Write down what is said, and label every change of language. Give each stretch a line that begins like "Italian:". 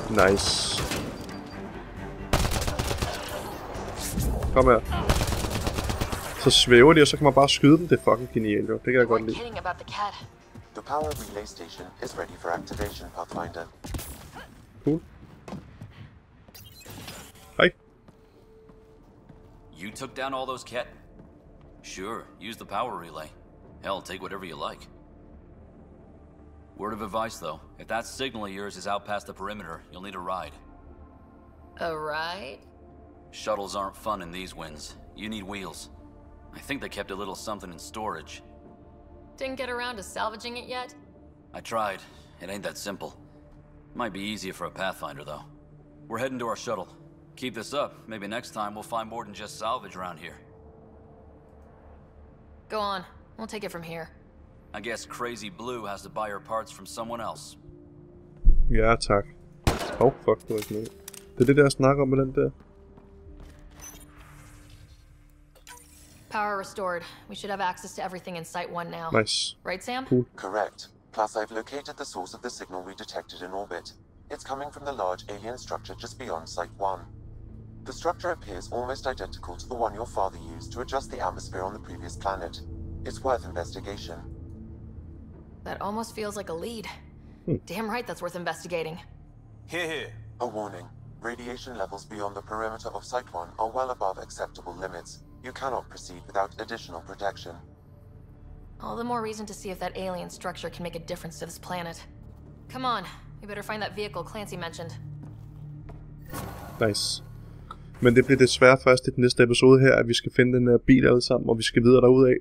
English: Nice.
Danish: Kom her. Så svæver de, og så kan man bare skyde dem. Det er fucking genialt, jo. Det kan jeg godt lide.
English: The power relay station is ready for activation, Pathfinder. Cool.
Danish: Hej.
English: You took down all those cat. Sure, use the power relay. Hell, take whatever you like. Word of advice, though. If that signal of yours is out past the perimeter, you'll need a ride. A ride? Shuttles aren't fun in these winds. You need wheels. I think they kept a little something in storage. Didn't get around to salvaging it yet? I tried. It ain't that simple. Might be easier for a Pathfinder, though. We're heading to our shuttle. Keep this up. Maybe next time we'll find more than just salvage around here. Go on. We'll take it from here. I guess Crazy Blue has to buy her parts from someone else.
Danish: Ja, tak.
English: Oh, fuck,
Danish: det var ikke noget. Det er det, jeg snakker om med den der.
English: Power restored. We should have access to everything in Site 1 now. Nice. Right, Sam? Cool. Correct. Plus, I've located the source of the signal we detected in orbit. It's coming from the large alien structure just beyond Site 1. The structure appears almost identical to the one your father used to adjust the atmosphere on the previous planet. It's worth investigation. That almost feels like a lead. Damn right that's worth investigating. Here, here. A warning. Radiation levels beyond the perimeter of Site 1 are well above acceptable limits. You cannot proceed without additional protection. All the more reason to see if that alien structure can make a difference to this planet. Come on, we better find that vehicle Clancy mentioned. Nice.
Danish: Men det bliver desværre først i den næste episode her, at vi skal finde den her bil alle sammen, og vi skal videre derudad.